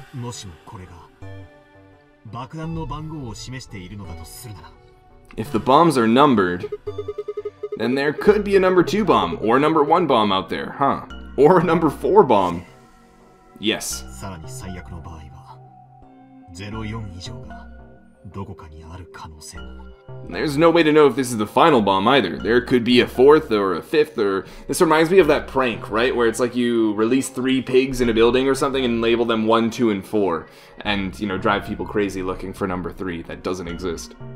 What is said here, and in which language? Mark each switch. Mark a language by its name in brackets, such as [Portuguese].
[Japanese] もしもこれが爆弾の番号を示しているのだとするなら [English] If the bombs are numbered, then there could be a number 2 bomb, or a number 1 bomb out there, huh? Or a number 4 bomb. Yes. [Japanese] さらに最悪の場合は、04以上が [English] There's no way to know if this is the final bomb either. There could be a fourth or a fifth or... This reminds me of that prank, right? Where it's like you release three pigs in a building or something and label them 1, 2, and 4. And, you know, drive people crazy looking for number 3 that doesn't exist.